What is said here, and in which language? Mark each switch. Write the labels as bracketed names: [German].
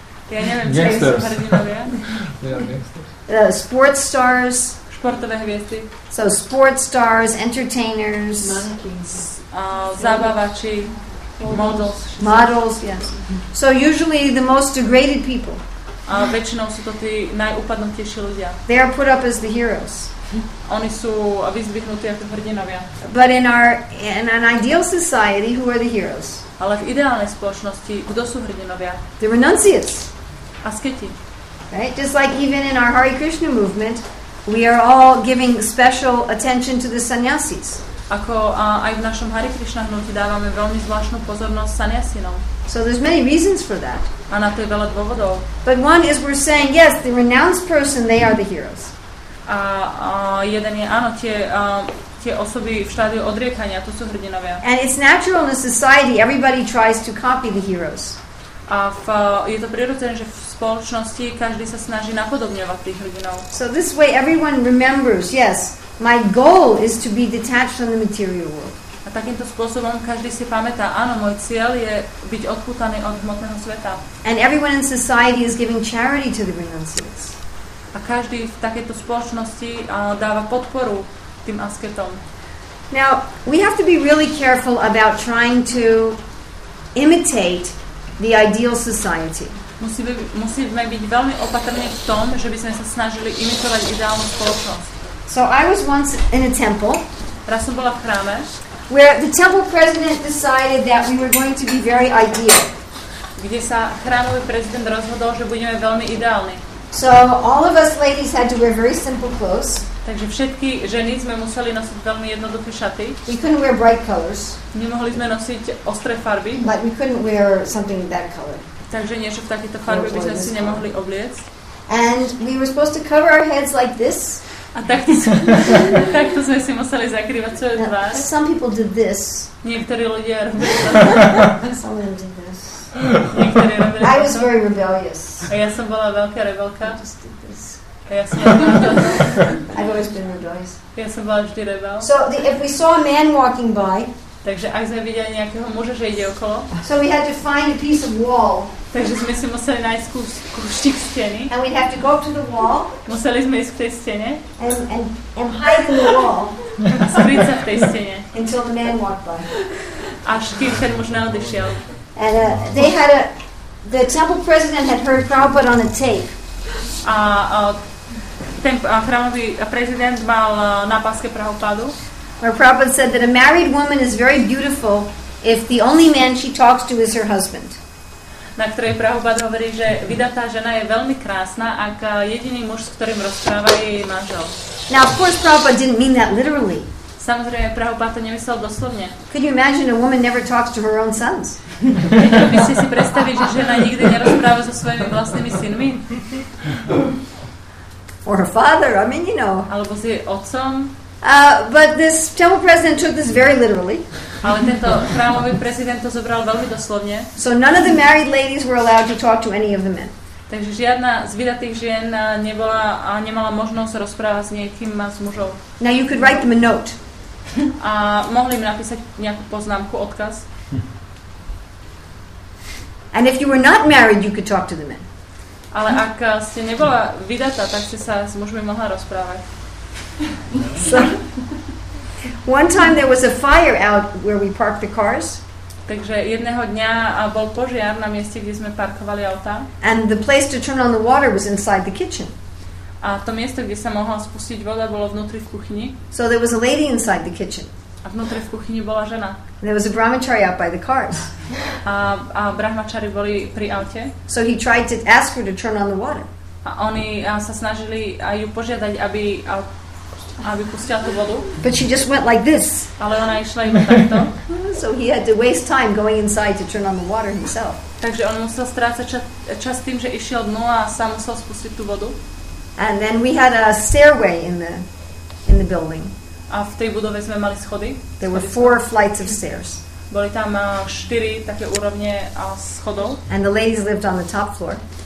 [Slovak] Ja neviem, [English] gangsters. Yeah, gangsters. Sports stars. [Slovak] Športové hviezdy. [English] So sports stars, entertainers. Monkeys. [Slovak] Zabavači. [English] Models. Models, yes. So usually the most degraded people. [Slovak] A väčšinou sú to tí najupadnutejší ľudia. [English] They are put up as the heroes. [Slovak] Oni sú vyzdvihnutí ako hrdinovia. [English] But in an ideal society, who are the heroes? [Slovak] Ale v ideálnej spoločnosti, kto sú hrdinovia? [English] The renunciates. [Slovak] Asketi. [English] Right? Just like even in our Hare Krishna movement, we are all giving special attention to the sannyasis. [Slovak] Ako aj v našom Hare Krishna hnutí dávame veľmi zvláštnu pozornosť sannyasinom. [English] So there's many reasons for that. [Slovak] A na to je veľa dôvodov. [English] But one is we're saying, yes, the renounced person, they are the heroes. [Slovak] A jeden je, áno, tie osoby v štádiu odriekania, to sú hrdinovia. [English] And it's natural in a society, everybody tries to copy the heroes. [Slovak] A je to prirodzené, že v spoločnosti každý sa snaží napodobňovať tých hrdinov. [English] So this way everyone remembers, yes, my goal is to be detached from the material world. [Slovak] A takýmto spôsobom každý si pamätá, áno, môj cieľ je byť odpútaný od hmotného sveta. [English] And everyone in society is giving charity to the renunciates. [Slovak] A každý v takejto spoločnosti dáva podporu tým asketom. [English] Now, we have to be really careful about trying to imitate the ideal society. [Slovak] Musíme byť veľmi opatrní v tom, že by sme sa snažili imitovať ideálnu spoločnosť. [English] So I was once in a temple. [Slovak] Raz som bola v chráme. [English] Where the temple president decided that we were going to be very ideal. [Slovak] Kde sa chrámový prezident rozhodol, že budeme veľmi ideálni. [English] So all of us ladies had to wear very simple clothes. [Slovak] Takže všetky ženy sme museli nosiť veľmi jednoduché šaty. [English] We couldn't wear bright colors. [Slovak] Nemohli sme nosiť ostré farby. [English] But we couldn't wear something that color. [Slovak] Takže niečo v takýto farbe by sme si nemohli obliecť. [English] And we were supposed to cover our heads like this. [Slovak] A takto sme si museli zakrývať svoje tvár. [English] Some people did this. [Slovak] Niektorí ľudia robili toto. [English] Some of them did this. [Slovak] Niektorí robili toto. [English] I was very rebellious. [Slovak] A ja som bola veľká rebelka. [English] I just did this. [Slovak] A ja som bola rebelka. [English] I've always been rebellious. [Slovak] Ja som bola vždy rebel. [English] So if we saw a man walking by, [Slovak] takže ak sme videli nejakého muža, že ide okolo, [English] so we had to find a piece of wall. [Slovak] Takže sme si museli nájsť kúštik steny. [English] And we'd have to go up to the wall. [Slovak] Museli sme ísť k tej stene. [English] And hide in the wall. [Slovak] Skryť sa v tej stene. [English] Until the man walked by. [Slovak] Až kým ten muž neodišiel. [English] And they had a... The temple president had heard Prabhupada on a tape. [Slovak] A chrámový prezident mal na páske Prabhupadu. [English] Where Prabhupada said that a married woman is very beautiful if the only man she talks to is her husband. [Slovak] Na ktorej Prabhupada hovorí, že vydatá žena je veľmi krásna, ak jediný muž, s ktorým rozpráva, je jej manžel. [English] Now, of course, Prabhupada didn't mean that literally. [Slovak] Samozrejme, Prabhupada to nemyslel doslovne. [English] Could you imagine a woman never talks to her own sons? [Slovak] By ste si predstaviť, že žena nikdy nerozpráva so svojimi vlastnými synmi? [English] Or her father, I mean, you know. [Slovak] Alebo si otcom? [English] But this temple president took this very literally. [Slovak] Ale tento chrámový prezident to zobral veľmi doslovne. [English] So none of the married ladies were allowed to talk to any of the men. [Slovak] Takže žiadna z vydatých žien nebola a nemala možnosť rozprávať s niekým z mužov. [English] Now you could write them a note. [Slovak] A mohli im napísať nejakú poznámku, odkaz. [English] And if you were not married, you could talk to the men. [Slovak] Ale ak ste nebola vydatá, tak ste sa s mužmi mohla rozprávať. [English] So, one time there was a fire out where we parked the cars. [Slovak] Takže jedného dňa bol požiar na mieste, kde sme parkovali auta. [English] And the place to turn on the water was inside the kitchen. [Slovak] A to miesto, kde sa mohla spustiť voda, bolo vnútri v kuchyni. [English] So there was a lady inside the kitchen. [Slovak] A vnútri v kuchyni bola žena. [English] And there was a brahmachari out by the cars. [Slovak] A brahmachari boli pri aute. [English] So he tried to ask her to turn on the water. [Slovak] A oni sa snažili ju požiadať, aby pustila tú vodu. [English] But she just went like this. [Slovak] Ale ona išla iba takto. [English] So he had to waste time going inside to turn on the water himself. [Slovak] Takže on musel strácať čas tým, že išiel dnu a sám musel spustiť tú vodu. [English] And then we had a stairway in the building. [Slovak] A v tej budove sme mali schody. [English] There were four flights of stairs. [Slovak] Boli tam štyri také úrovne schodov. [English] And the ladies lived on the top floor.